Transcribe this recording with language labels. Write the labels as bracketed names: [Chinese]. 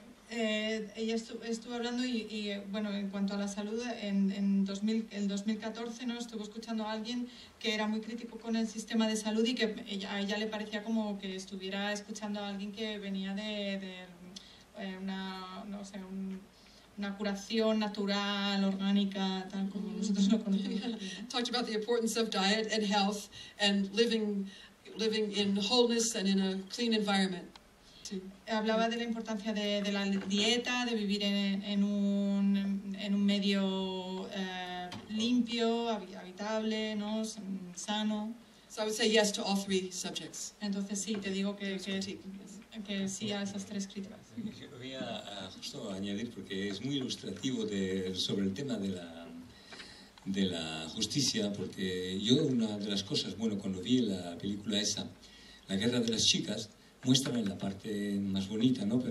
[Spanish] Ella estuvo hablando y bueno, en cuanto a la salud, en 2014, ¿no? Estuvo escuchando a alguien que era muy crítico con el sistema de salud y que a ella le parecía como que estuviera escuchando a alguien que venía de una curación natural, orgánica, tal como nosotros lo conocemos. [English] Talked about the importance of diet and health and living in wholeness and in a clean environment. [Spanish] Hablaba de la importancia de la dieta, de vivir en un medio limpio, habitable, ¿no? Sano. [English] So I would say yes to all three subjects. [Spanish] Entonces sí, te digo que sí a esas tres críticas. Quería justo añadir, porque es muy ilustrativo sobre el tema de la justicia, porque yo una de las cosas, bueno, cuando vi la película esa, La guerra de las chicas, muestran la parte más bonita, ¿no?